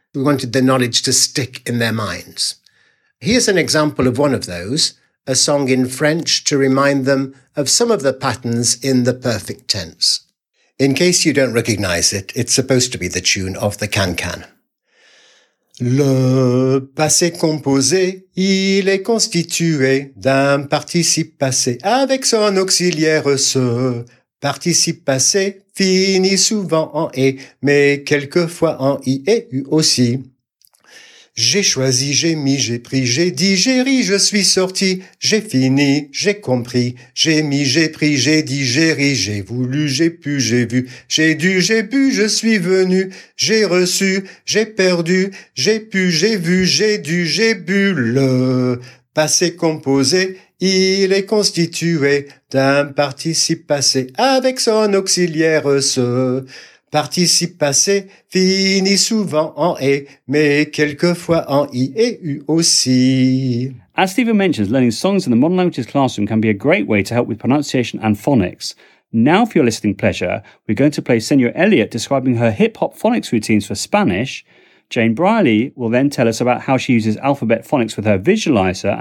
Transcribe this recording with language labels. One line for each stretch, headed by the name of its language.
English: We wanted the knowledge to stick in their minds. Here's an example of one of those, a song in French to remind them of some of the patterns in the perfect tense. In case you don't recognize it, it's supposed to be the tune of the Can-Can.
French: Le passé composé, il est constitué d'un participe passé avec son auxiliaire se. Participe passé finit souvent en « et », mais quelquefois en « i » et « u » aussi. J'ai choisi, j'ai mis, j'ai pris, j'ai dit, j'ai ri, je suis sorti, j'ai fini, j'ai compris, j'ai mis, j'ai pris, j'ai dit, j'ai ri, j'ai voulu, j'ai pu, j'ai vu, j'ai dû, j'ai bu, je suis venu, j'ai reçu, j'ai perdu, j'ai pu, j'ai vu, j'ai dû, j'ai bu. Le passé composé, il est constitué d'un participe passé avec son auxiliaire se. Participe passé finit souvent en « et », mais quelquefois en « i » et « u » aussi.
English: As Stephen mentions, learning songs in the modern languages classroom can be a great way to help with pronunciation and phonics. Now, for your listening pleasure, we're going to play Senor Elliot describing her hip-hop phonics routines for Spanish. Jane Briley will then tell us about how she uses alphabet phonics with her visualizer.